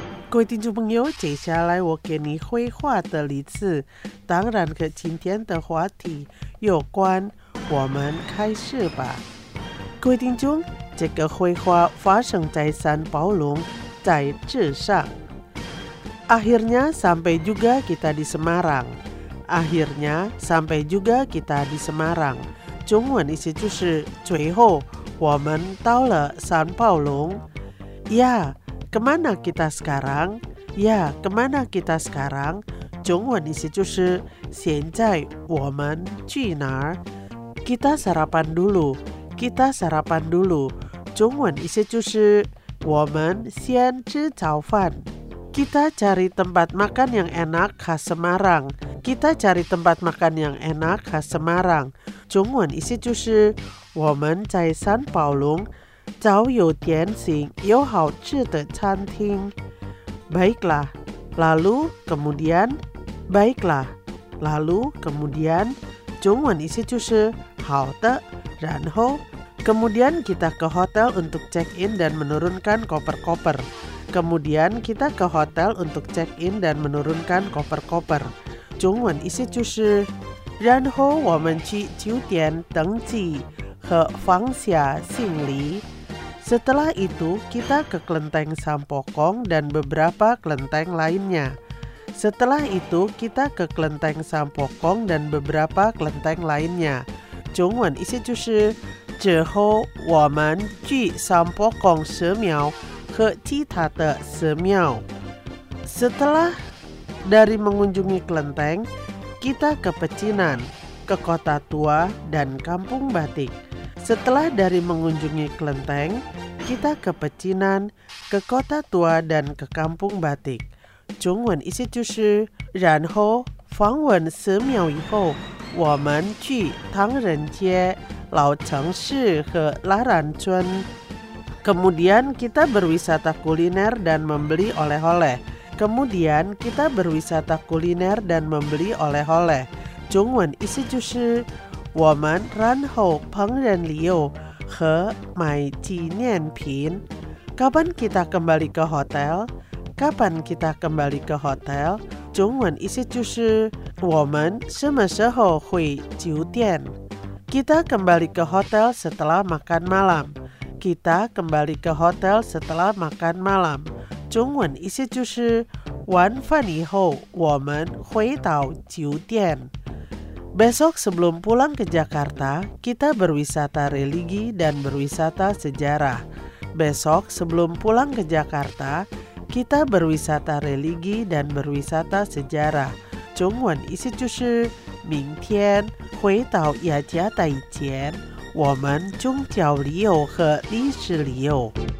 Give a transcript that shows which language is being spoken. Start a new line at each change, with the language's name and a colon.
Chinese: 各位听众朋友，接下来我给你绘画的例子，当然和今天的话题有关。我们开始吧。各位听众，这个绘画发生在三宝龙在纸上。
Indonesian: Akhirnya sampai juga kita di Semarang。 Akhirnya sampai juga kita di Semarang.
Chinese: 中文意思就是最后我们到了三宝龙。
Indonesian: Ya, kemana kita sekarang? Ya, kemana kita sekarang?
Chinese: 中文意思就是现在我们去哪儿？
Indonesian: Kita sarapan dulu. Kita sarapan dulu.
Chinese: 中文意思就是我们先吃早饭。
Indonesian: Kita cari tempat makan yang enak khas Semarang. Kita cari tempat makan yang enak khas Semarang.
Chinese: 中文意思就是我们在三宝龙找有点心有好吃的餐厅。
Indonesian: Baiklah, lalu kemudian. Baiklah, lalu kemudian.
Chinese: 中文意思就是好的，然后。
Indonesian: Kemudian kita ke hotel untuk check-in dan menurunkan koper-koper. Kemudian kita ke hotel untuk check-in dan menurunkan koper-koper.
Chinese: 中文意思就是，然后我们去酒店登记和放下行李。
Indonesian: Setelah itu kita ke kelenteng Sampokong dan beberapa kelenteng lainnya. Setelah itu kita ke kelenteng Sampokong dan beberapa kelenteng lainnya.
Chinese: 中文意思就是，之后我们去 Sampokong 寺庙。 Ke cita te semiao.
Indonesian: Setelah dari mengunjungi kelenteng, kita ke pecinan, ke kota tua dan kampung batik. Setelah dari mengunjungi kelenteng, kita ke pecinan, ke kota tua dan ke kampung batik.
Chinese: 中文意思就是，然后访问寺庙以后，我们去唐人街、老城市和拉然村。
Indonesian: Kemudian kita berwisata kuliner dan membeli oleh-oleh. Kemudian kita berwisata kuliner dan membeli oleh-oleh.
Chinese: 中文意思就是我们然后烹饪旅游和买纪念品。
Indonesian: Kapan kita kembali ke hotel? Kapan kita kembali ke hotel?
Chinese: 中文意思就是我们什么时候回酒店？
Indonesian: Kita kembali ke hotel setelah makan malam. Kita kembali ke hotel setelah makan malam.
Chinese: 中文意思就是晚饭以后我们回到酒店。
Indonesian: Besok sebelum pulang ke Jakarta, kita berwisata religi dan berwisata sejarah. Besok sebelum pulang ke Jakarta, kita berwisata religi dan berwisata sejarah.
Chinese: 中文意思就是明天回到雅加达以前我们宗教旅游和历史旅游。